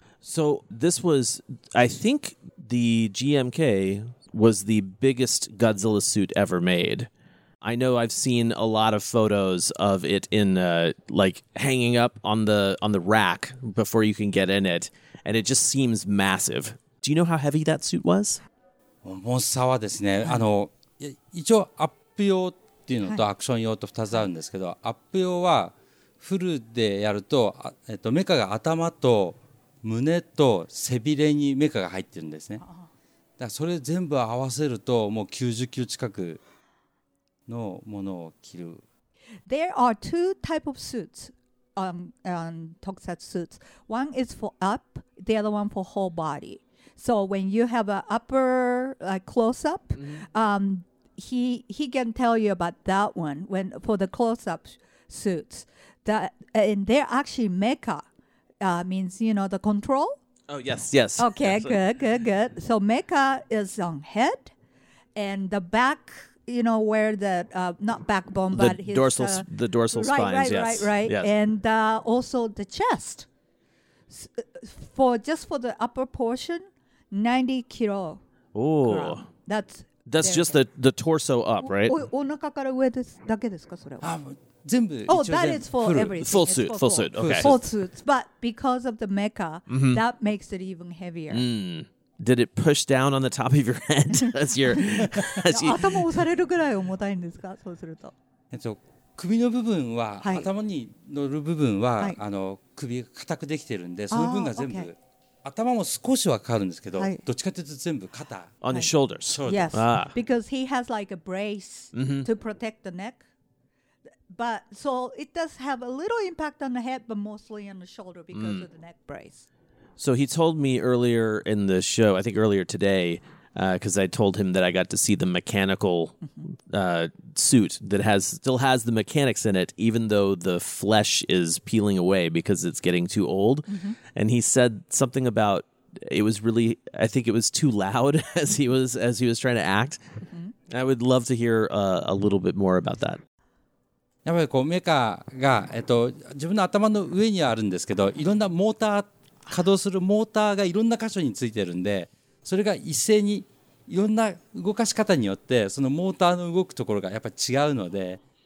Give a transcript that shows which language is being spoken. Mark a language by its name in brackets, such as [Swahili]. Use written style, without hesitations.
[English] So this was, I think the GMK was the biggest Godzilla suit ever made. I know I've seen a lot of photos of it in like hanging up on the rack before you can get in it. And it just seems massive. Do you know how heavy that suit was? [Japanese] 重さはですね、はい、一応アップ用っていうのとアクション用と2つあるんですけど、はい、アップ用はフルでやる と、メカが頭と胸と背びれにメカが入ってるんですね。だからそれ全部合わせるともう90キロ近くのものを着る。 [English] There are two type of suits tokusatsu suits. One is for up, the other one for whole body. So when you have an upper like close up, he can tell you about that one when for the close up suits. That and they're actually mecha, means the control. Oh yes, yes. Okay, good. So mecha is on head, and the back, where the not backbone, but the dorsal spines, right. Yes. And also the chest. For the upper portion. 90 kilo. Oh, that's just the torso up, right? [Japanese] お腹から上ですだけですかそれは？あ、全部。 [English] Oh, that is for everything. Full suit. Okay. Full suit, but because of the mecha, mm-hmm. that makes it even heavier. Mm. Did it push down on the top of your head as you're? [Japanese] 頭押されるぐらい重たいんですか？そうすると。首の部分は、はい、頭に乗る部分は、はい、首が硬くできてるんで、その分が全部。頭も少しはかかるんですけど、はい、どっちかというと全部肩。 [English] On the shoulders. Yes. Because he has like a brace to protect the neck. But so it does have a little impact on the head, but mostly on the shoulder because of the neck brace. So he told me earlier in the show, I think earlier today, because I told him that I got to see the mechanical suit that still has the mechanics in it, even though the flesh is peeling away because it's getting too old. Mm-hmm. And he said something about it was really, I think it was too loud as he was trying to act. Mm-hmm. I would love to hear a little bit more about that. [Japanese] やっぱりこうメカが、自分の頭の上にあるんですけど、いろんなモーター、稼働するモーターがいろんな箇所についてるんで、それが一斉にいろんな動かし方によってそのモーターの動くところがやっぱり違うので、